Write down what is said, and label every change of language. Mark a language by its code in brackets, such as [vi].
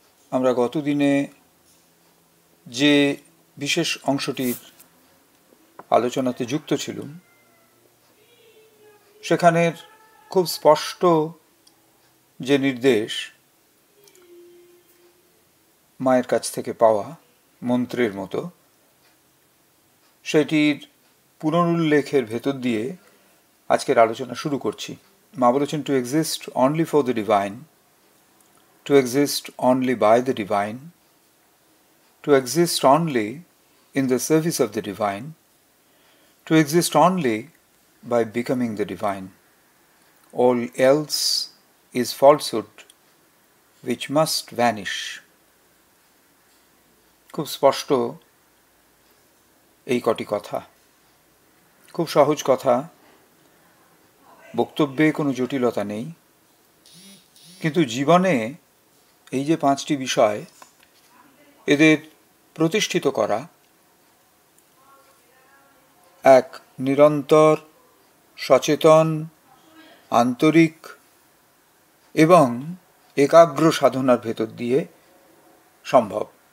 [bn] আমরা গতদিনে যে বিশেষ অংশটির আলোচনাতে যুক্ত ছিলাম সেখানের খুব স্পষ্ট যে নির্দেশ মায়ের কাছ থেকে পাওয়া মন্ত্রের মতো, সেটির পুনরুল্লেখের ভেতর দিয়ে আজকের আলোচনা শুরু করছি। মা বলেছেন, [en] To exist only for the divine, to exist only by the divine, to exist only in the service of the divine, to exist only by becoming the divine. All else is falsehood which must vanish. [bn] খুব স্পষ্ট এই কটি কথা, খুব সহজ কথা, বক্তব্যে কোনো জটিলতা নেই। কিন্তু জীবনে এই যে পাঁচটি বিষয়, এদের প্রতিষ্ঠিত করা এক নিরন্তর সচেতন আন্তরিক এবং একাগ্র সাধনার ভেতর দিয়ে সম্ভব।